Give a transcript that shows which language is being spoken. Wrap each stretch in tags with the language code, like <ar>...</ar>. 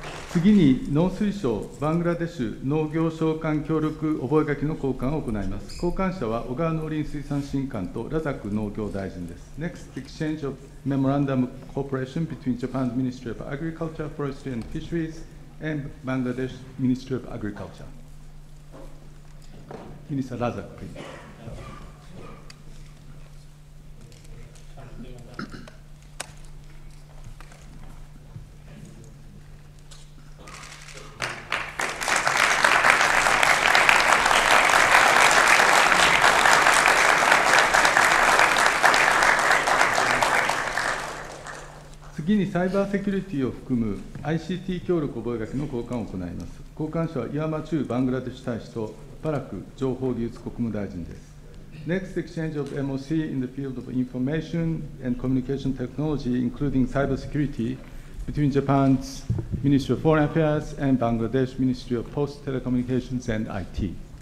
<ja>次に農水省バングラデシュ農業相関協力覚書の交換を行います。交換者は小川農林水産審官とラザク農業大臣です。</ja> <en>Next exchange of memorandum cooperation between Japan's Ministry of Agriculture, Forestry and Fisheries and Bangladesh Ministry of Agriculture. Minister ラザク、please。</en> <ja>次にサイバーセキュリティを含む ICT 協力覚書の交換を行います。交換者は岩間中バングラデシュ大使とパラク情報技術国務大臣です。</ja> <en>Next exchange of MOC in the field of information and communication technology, including cyber security, between Japan's Ministry of Foreign Affairs and Bangladesh Ministry of Post Telecommunications and IT.</en>